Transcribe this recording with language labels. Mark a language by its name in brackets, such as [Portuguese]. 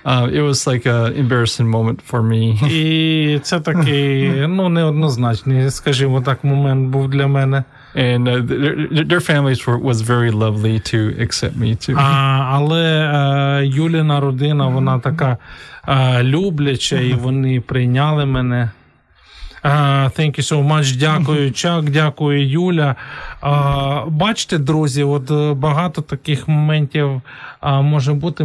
[English] it was like an embarrassing moment for me. [Ukrainian] І це такий, ну, неоднозначний, скажімо так, момент був для мене. [English] And their families was very lovely to accept me too. [Ukrainian] Але Юліна родина, вона така любляча, і вони прийняли мене. [English] Thank you so much. Дякую, Чак. Дякую, Юля. [Ukrainian] Бачите, друзі, от багато таких моментів може бути.